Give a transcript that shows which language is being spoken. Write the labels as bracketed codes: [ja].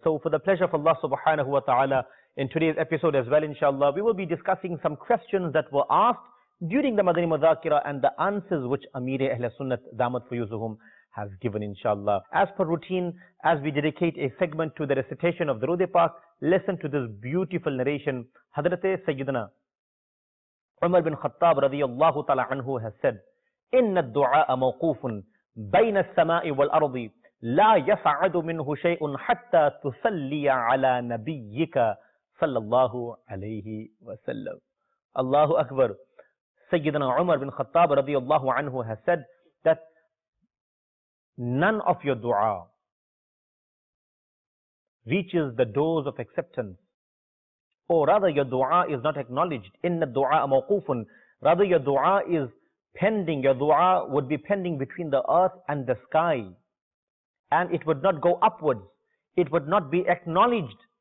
[en] So for the pleasure of Allah subhanahu wa ta'ala, in today's episode as well, inshallah, we will be discussing some questions that were asked during the Madani Mudhakira and the answers which Amir Ahle Sunnat Damat Fuyuzuhum has given, inshallah. As per routine, as we dedicate a segment to the recitation of Durood-e Pak, listen to this beautiful narration. Hazrat Sayyidina Umar bin Khattab radiyallahu ta'ala anhu has said, [ar] إِنَّ الدُّعَاءَ مَوْقُوفٌ بَيْنَ السَّمَاءِ وَالْأَرْضِ لَا يَصَعَدُ مِنْهُ شَيْءٌ حَتَّى تُسَلِّيَ عَلَى نَبِيِّكَ صَلَّى اللَّهُ عَلَيْهِ وَسَلَّمُ. Allahu Akbar. [en] Sayyidina Umar bin Khattab radiyallahu anhu has said that none of your dua reaches the doors of acceptance, or rather your dua is not acknowledged. [ar] Inna dua mawqufun, [en] rather your dua is pending, your dua would be pending between the earth and the sky, and it would not go upwards, it would not be acknowledged.